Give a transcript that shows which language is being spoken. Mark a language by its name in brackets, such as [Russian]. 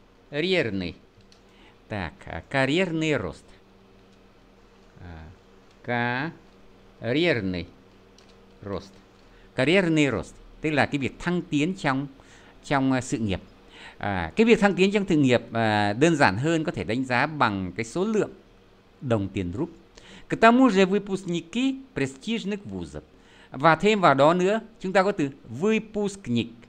[Russian] Карьерный, так, карьерный рост. [Vietnamese] Карьерный рост, tức là cái việc thăng tiến trong trong sự nghiệp. À, cái việc thăng tiến trong sự nghiệp đơn giản hơn có thể đánh giá bằng cái số lượng đồng tiền rúp. [Russian] К тому же выпускники престижных вузов. [Vietnamese] Và thêm vào đó nữa, chúng ta có từ выпускник.